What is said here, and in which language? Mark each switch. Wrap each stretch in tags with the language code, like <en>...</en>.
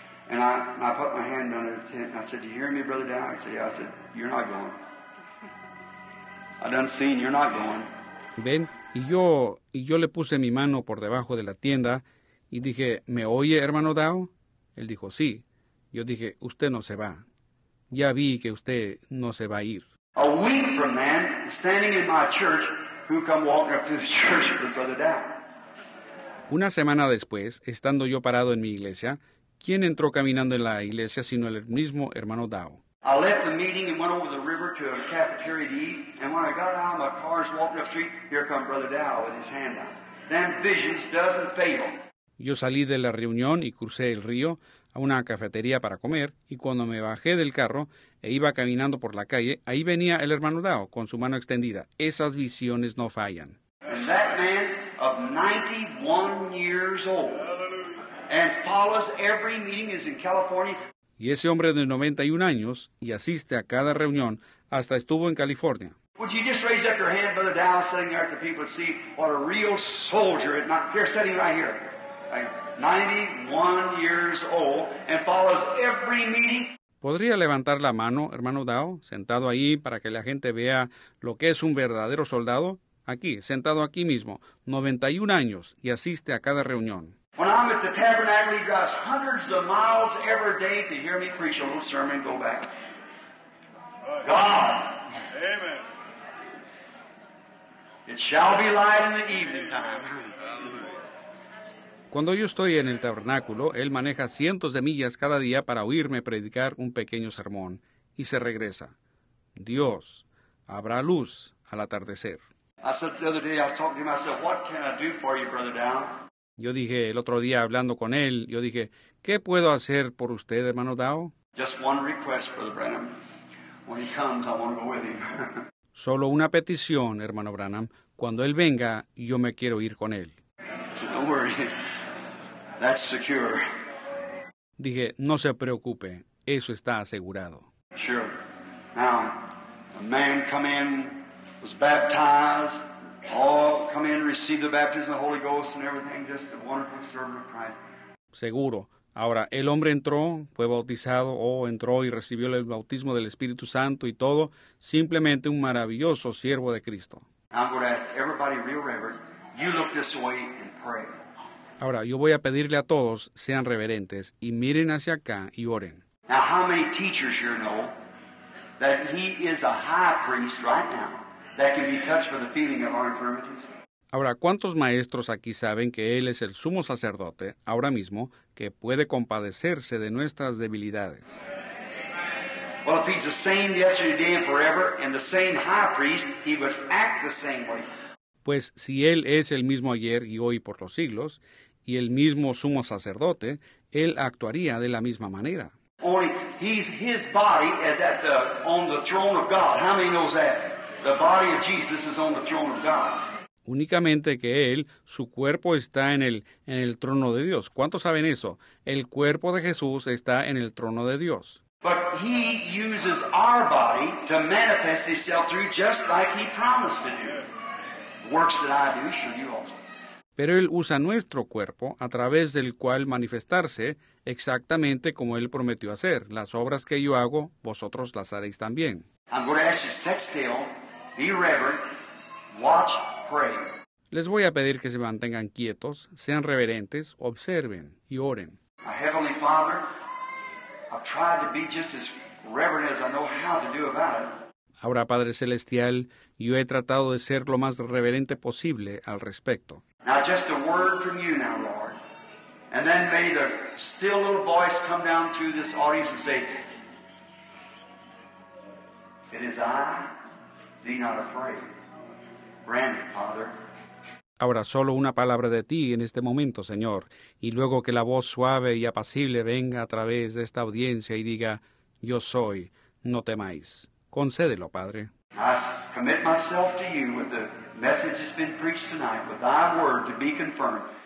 <en>And I put my hand under the tent, and I said, do you hear me, Brother Dow? I said, you're not going. I done seen, you're not going.</en> <es>Ven, y yo le puse mi mano por debajo de la tienda, y dije, ¿me oye, hermano Dow? Él dijo, sí. Yo dije, usted no se va. Ya vi que usted no se va a ir.</es> <en>A week from then, standing in my church, who come walking up to the church with Brother Dow?</en> <es>Una semana después, estando yo parado en mi iglesia, ¿quién entró caminando en la iglesia sino el mismo hermano Dow?</es> <en>I left the meeting and went over the river to a cafeteria to eat, and when I got out of my car and walked up the street, here come Brother Dow with his hand out. Them visions doesn't fail.</en> <es>Yo salí de la reunión y crucé el río a una cafetería para comer, y cuando me bajé del carro e iba caminando por la calle, ahí venía el hermano Dow con su mano extendida. Esas visiones no fallan.</es> <en>And that man of 91 years old, and follows every meeting is in California.</en> <es>Y ese hombre de 91 años y asiste a cada reunión, hasta estuvo en California.</es> <en>Would you just raise up your hand, Brother Dow, sitting there at the people, and see what a real soldier, not here, sitting right here. 91 years old and follows every meeting.</en> <es>¿Podría levantar la mano, hermano Dow, sentado ahí para que la gente vea lo que es un verdadero soldado? Aquí, sentado aquí mismo, 91 años y asiste a cada reunión.</es> <en>When I'm at the tabernacle, he drives hundreds of miles every day to hear me preach a little sermon, go back. God. Amen. It shall be light in the evening time.</en> <es>Cuando yo estoy en el tabernáculo, él maneja cientos de millas cada día para oírme predicar un pequeño sermón y se regresa. Dios, habrá luz al atardecer.</es> <en>I said the other day, I was talking to him, I said, what can I do for you, Brother Down?</en> <es>Yo dije el otro día hablando con él, yo dije, ¿qué puedo hacer por usted, hermano Dow?</es> <en>Just one request, Brother Branham. When he comes, I want to go with him.</en> <es>Solo una petición, hermano Branham. Cuando él venga, yo me quiero ir con él.</es> <en>So don't worry. That's secure.</en> <es>Dije, no se preocupe, eso está asegurado.</es> <en>Sure. Now, a man come in, was baptized. All come in, receive the baptism of the Holy Ghost and everything, just a wonderful servant of Christ.</en> <es>Seguro. Ahora, el hombre entró, fue bautizado, entró y recibió el bautismo del Espíritu Santo y todo, simplemente un maravilloso siervo de Cristo.</es> <en>I'm going to ask everybody real reverent, you look this way and pray.</en> <es>Ahora, yo voy a pedirle a todos, sean reverentes, y miren hacia acá y oren.</es> <en>Now, how many teachers here know that he is a high priest right now? That can be touched by the feeling of our infirmities.</en> <es>Ahora, ¿cuántos maestros aquí saben que él es el sumo sacerdote, ahora mismo, que puede compadecerse de nuestras debilidades?</es> <en>Well, if he's the same yesterday, today, and forever, and the same high priest, he would act the same way.</en> <es>Pues si él es el mismo ayer y hoy por los siglos, y el mismo sumo sacerdote, él actuaría de la misma manera.</es> <en>Only he's, his body is at the, on the throne of God. How many knows that? The body of Jesus is on the throne of God.</en> <es>Únicamente que él, su cuerpo está en el trono de Dios. ¿Cuántos saben eso? El cuerpo de Jesús está en el trono de Dios.</es> <en>But he uses our body to manifest himself through just like he promised to do. Works that I do, show you also.</en> <es>Pero él usa nuestro cuerpo a través del cual manifestarse exactamente como él prometió hacer. Las obras que yo hago, vosotros las haréis también.</es> <en>I'm going to ask you to sit still, be reverent, watch, pray.</en> <es>Les voy a pedir que se mantengan quietos, sean reverentes, observen y oren.</es> <en>My Heavenly Father, I've tried to be just as reverent as I know how to do about it.</en> <es>Ahora, Padre Celestial, yo he tratado de ser lo más reverente posible al respecto.</es> <en>Now, just a word from you now, Lord. And then may the still little voice come down through this audience and say, it is I, be not afraid. Grant it, Father.</en> <es>Ahora, solo una palabra de ti en este momento, Señor. Y luego que la voz suave y apacible venga a través de esta audiencia y diga, yo soy, no temáis. Concédelo, Padre.</es> <en>I commit myself to you with the message that's been preached tonight, with thy word to be confirmed.</en>